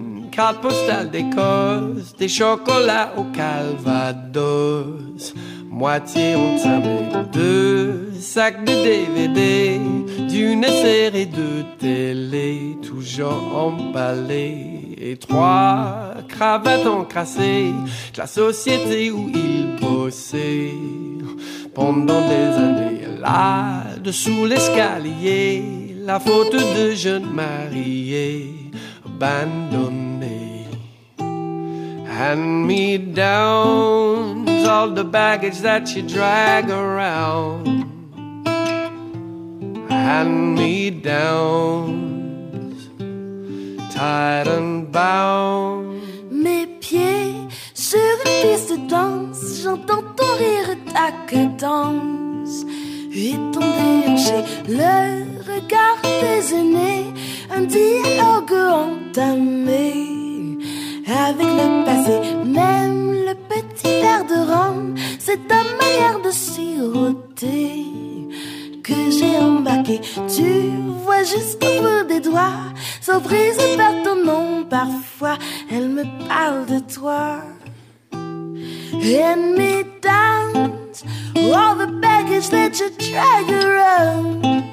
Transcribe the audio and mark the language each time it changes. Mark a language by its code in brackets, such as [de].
[fr] Carte postale d'Écosse, des chocolats au Calvados, moitié on t'aime, deux sacs de DVD, d'une série de télé, toujours emballés, et trois cravates encrassées, de la société où il bossait pendant des années. Là, dessous l'escalier, la faute de jeune marié, abandonné. [en] Hand me downs, all the baggage that you drag around. Hand me downs, tied and bound. [fr] Mes pieds sur une piste danse, j'entends ton rire, ta cadence. Et ton déhanché, le regard des aînés, un dialogue entamé. Avec le passé, même le petit verre de rhum, c'est ta manière de siroter que j'ai embarqué. Tu vois jusqu'au bout des doigts, sans prise par ton nom, parfois elle me parle de toi. [en] Hand me down all the baggage that you drag around.